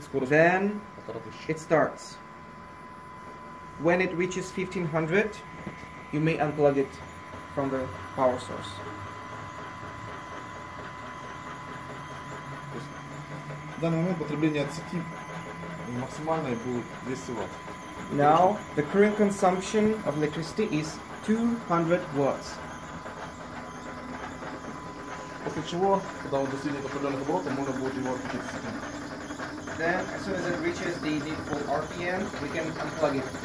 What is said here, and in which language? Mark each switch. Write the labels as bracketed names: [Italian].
[English] Then it starts. When it reaches 1500, you may unplug it from the power source. [Russian] В данный момент потребление от сети максимальное будет 200 ватт. [English] Now the current consumption of electricity is 200 watts. [Russian] После чего, когда он достигнет определенных оборотов, можно будет его отключить от сети. [English] Then, as soon as it reaches the needed full RPM, we can unplug it.